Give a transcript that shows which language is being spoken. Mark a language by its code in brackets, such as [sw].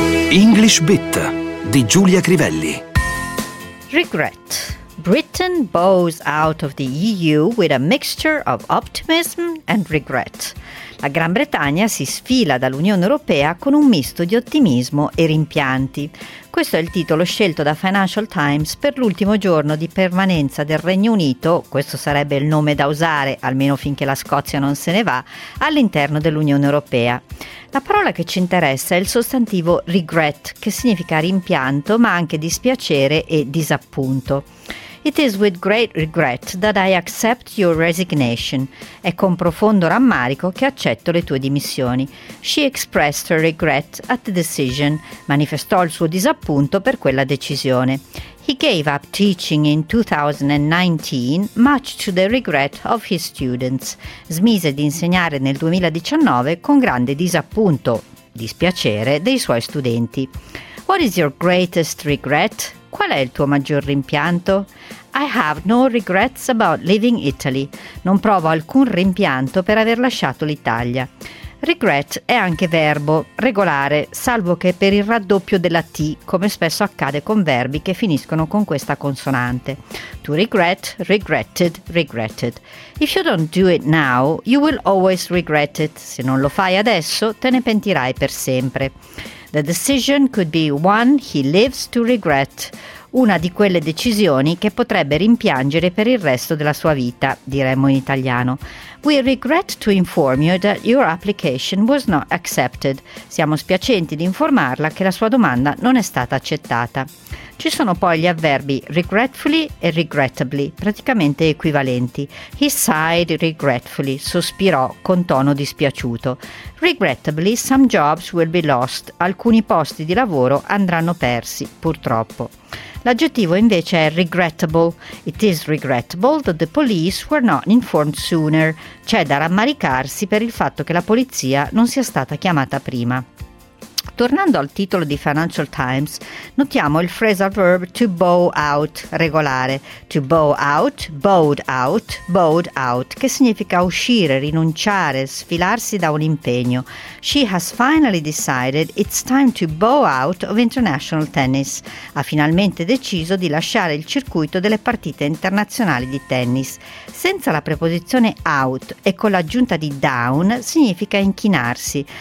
[it] English Bit di Giulia Crivelli. [en] Regret. Britain bows out of the EU with a mixture of optimism and regret. [it] La Gran Bretagna si sfila dall'Unione Europea con un misto di ottimismo e rimpianti. Questo è il titolo scelto da Financial Times per l'ultimo giorno di permanenza del Regno Unito, questo sarebbe il nome da usare, almeno finché la Scozia non se ne va, all'interno dell'Unione Europea. La parola che ci interessa è il sostantivo regret, che significa rimpianto, ma anche dispiacere e disappunto. [en] It is with great regret that I accept your resignation. [it] È con profondo rammarico che accetto le tue dimissioni. [en] She expressed her regret at the decision. [it] Manifestò il suo disappunto per quella decisione. [en] He gave up teaching in 2019, much to the regret of his students. [it] Smise di insegnare nel 2019 con grande disappunto, dispiacere, dei suoi studenti. [en] What is your greatest regret? [it] Qual è il tuo maggior rimpianto? [en] I have no regrets about leaving Italy. [it] Non provo alcun rimpianto per aver lasciato l'Italia. Regret è anche verbo, regolare, salvo che per il raddoppio della T, come spesso accade con verbi che finiscono con questa consonante. [en] To regret, regretted, regretted. If you don't do it now, you will always regret it. [it] Se non lo fai adesso, te ne pentirai per sempre. [en] The decision could be one he lives to regret. [it] Una di quelle decisioni che potrebbe rimpiangere per il resto della sua vita, diremmo in italiano. [en] We regret to inform you that your application was not accepted. [it] Siamo spiacenti di informarla che la sua domanda non è stata accettata. Ci sono poi gli avverbi regretfully e regrettably, praticamente equivalenti. [en] He sighed regretfully, [it] sospirò con tono dispiaciuto. [en] Regrettably, some jobs will be lost. [it] Alcuni posti di lavoro andranno persi, purtroppo. L'aggettivo invece è regrettable. [en] It is regrettable that the police were not informed sooner. [it] C'è da rammaricarsi per il fatto che la polizia non sia stata chiamata prima. Tornando al titolo di Financial Times, notiamo il phrasal verb to bow out, regolare. [en] To bow out, bowed out, [it] bowed out, che significa uscire, rinunciare, sfilarsi da un impegno. [en] She has finally decided it's time to bow out of international tennis. [it] Ha finalmente deciso di lasciare il circuito delle partite internazionali di tennis. Senza la preposizione out e con l'aggiunta di down, significa inchinarsi.